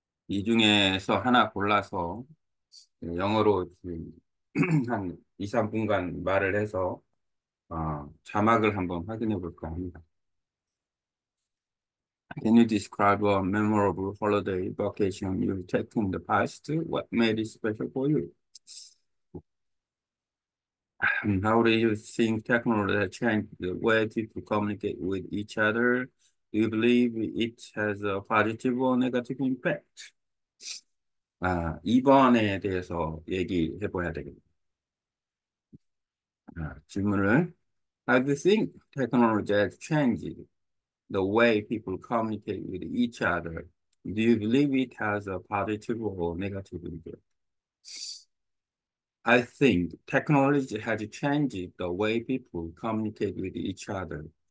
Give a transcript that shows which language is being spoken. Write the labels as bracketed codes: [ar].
[ko] 이 중에서 하나 골라서 영어로 지금 한 2, 3분간 말을 해서 자막을 한번 확인해 볼까 합니다. [en] Can you describe a memorable holiday vacation you've taken in the past? What made it special for you? And how do you think technology has changed the way people communicate with each other? Do you believe it has a positive or negative impact? [ko] 이번에 대해서 얘기해 봐야 되겠네요. 질문을. [en] How do you think technology has changed the way people communicate with each other? Do you believe it has a positive or negative impact? I think technology has changed the way people communicate with each other.